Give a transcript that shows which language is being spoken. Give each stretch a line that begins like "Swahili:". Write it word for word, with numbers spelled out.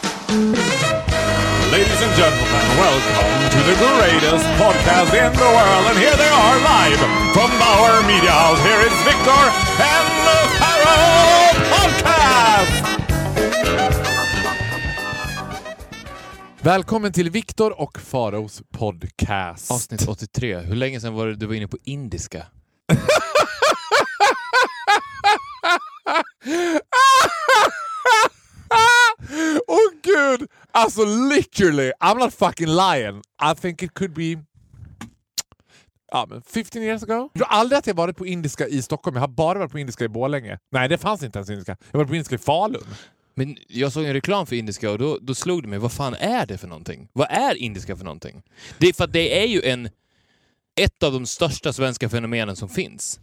English: Ladies and gentlemen, welcome to the greatest podcast in the world. And here they are live from Bauer Media House. Here is Victor and the Pharaoh Podcast.
Swedish: Välkommen till Victor och Faraos podcast. Avsnitt åttiotre. Hur länge sedan var det du var inne på indiska?
English: Oh gud, alltså literally, I'm not fucking lying. I think it could be ja, men fifteen years ago.
Swedish: Jag har aldrig att jag varit på indiska i Stockholm. Jag har bara varit på indiska i Borlänge. Nej, det fanns inte ens indiska. Jag var på indiska i Falun. Men jag såg en reklam för indiska och då, då slog det mig, vad fan är det för någonting? Vad är indiska för någonting? Det är för att det är ju en ett av de största svenska fenomenen som finns.